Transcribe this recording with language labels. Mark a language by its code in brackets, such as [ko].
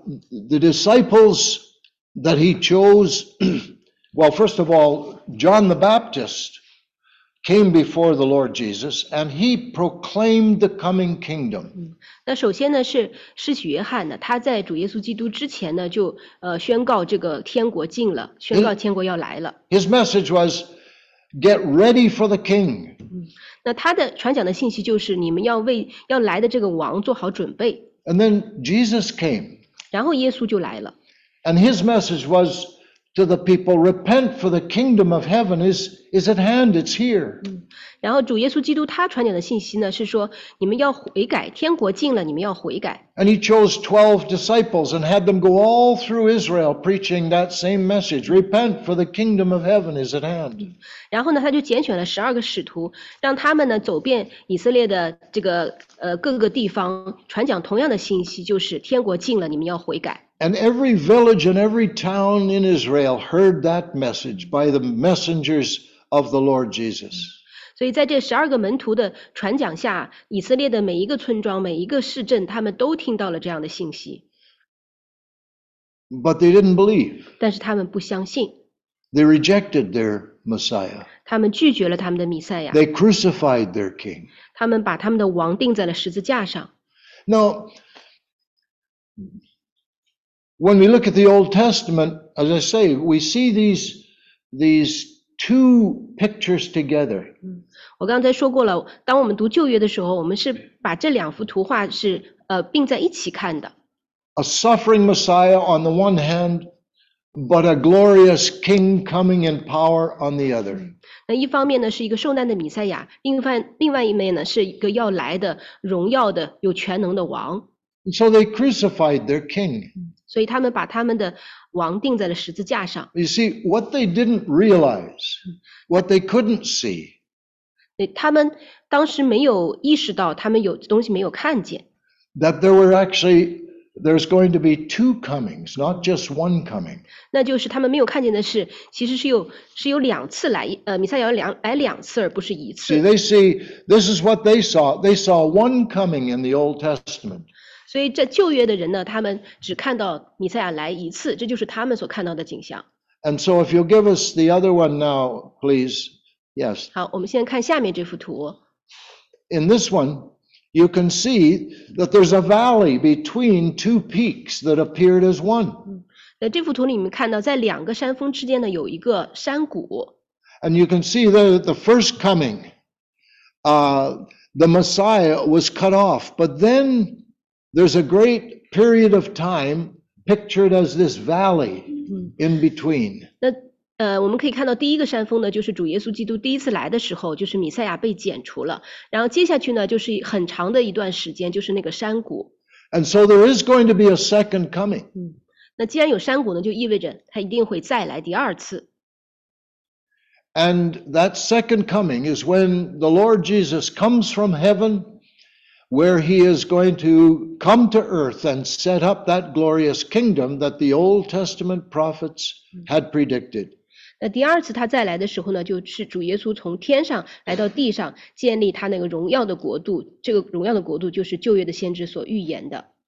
[en] The disciples that he chose, well, first of all, John the Baptist came before the Lord Jesus, and he proclaimed the coming kingdom. [zh] 那首先呢是施洗约翰呢，他在主耶稣基督之前呢就宣告这个天国近了，宣告天国要来了。 [en] His message was, "Get ready for the King." [zh] 那他的传讲的信息就是你们要为要来的这个王做好准备。 [en] And then Jesus came. [zh] 然后耶稣就来了。 [en] And his message was to the people, repent for the kingdom of heaven is at hand, it's here. [zh] 然后主耶稣基督他传讲的信息呢是说你们要悔改，天国近了，你们要悔改。 [en] And he chose 12 disciples and had them go all through Israel preaching that same message, repent for the kingdom of heaven is at hand. [zh] 然后呢他就拣选了12个使徒，让他们呢走遍以色列的这个各个地方传讲同样的信息，就是天国近了，你们要悔改。 [en] And every village and every town in Israel heard that message by the messengers of the Lord Jesus. [zh] 所以在这十二个门徒的传讲下，以色列的每一个村庄、每一个市镇，他们都听到了这样的信息。 [en] But they didn't believe. [zh] 但是他们不相信。 [en] They rejected their Messiah. [zh] 他们拒绝了他们的弥赛亚。 [en] They crucified their King. [zh] 他们把他们的王钉在了十字架上。 [en] Now,when we look at the Old Testament, as I say, we see these two pictures together. [zh] 我刚才说过了，当我们读旧约的时候，我们是把这两幅图画是并在一起看的。 [en] A suffering Messiah on the one hand, but a glorious King coming in power on the other. [zh] 那一方面呢是一个受难的弥赛亚，另外一面呢是一个要来的荣耀的有全能的王。 [en] So they crucified their king. [zh] 所以他们把他们的王钉在了十字架上。 [en] You see, what they didn't realize, what they couldn't see. [zh] 他们当时没有意识到他们有东西没有看见。 [en] That there's going to be two comings, not just one coming. [zh] 那就是他们没有看见的是，其实是有两次来，弥赛亚来两次，而不是一次。 [en] See, they see, this is what they saw. They saw one coming in the Old Testament. [zh] 所以这旧约的人呢，他们只看到弥赛亚来一次，这就是他们所看到的景象。 [en] And so if you'll give us the other one now, please. Yes. [zh] 好，我们现在看下面这幅图。 [en] In this one, you can see that there's a valley between two peaks that appeared as one. [zh] 在这幅图里面看到在两个山峰之间呢有一个山谷。 [en] And you can see that the first coming, the Messiah was cut off, but thenThere's a great period of time pictured as this valley in between. [zh] 那我们可以看到第一个山峰呢，就是主耶稣基督第一次来的时候，就是弥赛亚被剪除了。然后接下去呢，就是很长的一段时间，就是那个山谷。 [en] And so there is going to be a second coming. [zh] 那既然有山谷呢，就意味着他一定会再来第二次。 [en] And that second coming is when the Lord Jesus comes from heaven. Where he is going to come to earth and set up that glorious kingdom that the Old Testament prophets had predicted. [zh] 那第二次他再来的时候呢，就是主耶稣从天上来到地上，建立他那个荣耀的国度。这个荣耀的国度就是旧约的先知所预言的。